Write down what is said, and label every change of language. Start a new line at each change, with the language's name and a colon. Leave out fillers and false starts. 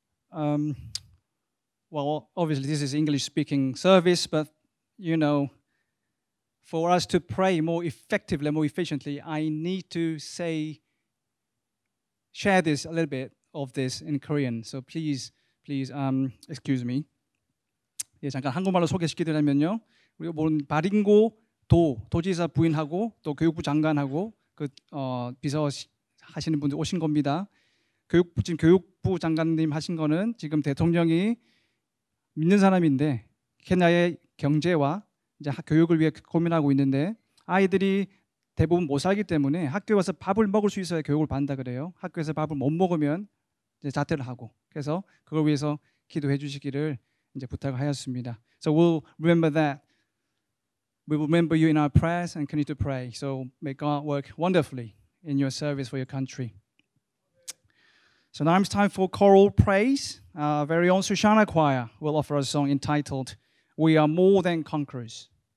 English: Well, obviously, this is English-speaking service, but, you know, for us to pray more effectively, more efficiently, I need to share this, a little bit of this in Korean. So please, please, excuse me.
Korean: 예, 잠깐 한국말로 소개시키드라면요. 우리 본 바링고 도지사 부인하고 또 교육부 장관하고 그 비서 하시는 분들 오신 겁니다. 교육부 장관님 하신 거는 지금 대통령이 믿는 사람인데 케냐의 경제와 이제 교육을 위해 고민하고 있는데 아이들이 대부분 못 살기 때문에 학교에 와서 밥을 먹을 수 있어야 교육을 받는다 그래요. 학교에서 밥을 못 먹으면 이제 자퇴를 하고 그래서 그걸 위해서 기도해 주시기를 이제 부탁을 하였습니다.
English: So we'll remember that. We will remember you in our prayers and continue to pray. So may God work wonderfully in your service for your country. So now it's time for choral praise. Our very own Sushana Choir will offer a song entitled We Are More Than Conquerors.